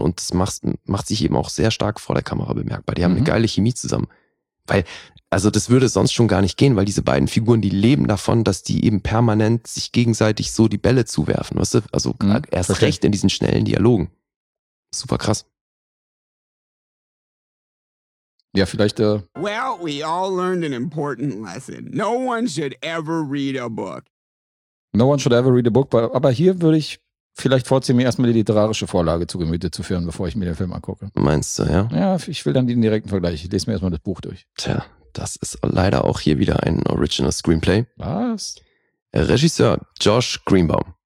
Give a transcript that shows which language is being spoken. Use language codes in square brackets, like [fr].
[de] Und das macht sich eben auch sehr stark vor der Kamera bemerkbar. Die haben eine geile Chemie zusammen. Weil, also das würde sonst schon gar nicht gehen, weil diese beiden Figuren, die leben davon, dass die eben permanent sich gegenseitig so die Bälle zuwerfen, weißt du? Also erst recht in diesen schnellen Dialogen. Super krass. Ja, vielleicht, [en] Well, we all learned an important lesson. No one should ever read a book. No one should ever read a book, [de] aber hier würde ich vielleicht vorziehen, mir erstmal die literarische Vorlage zu Gemüte zu führen, bevor ich mir den Film angucke. Meinst du, ja? Ja, ich will dann den direkten Vergleich. Ich lese mir erstmal das Buch durch. Tja. Das ist leider auch hier wieder ein Original Screenplay. Was? Regisseur Josh Greenbaum.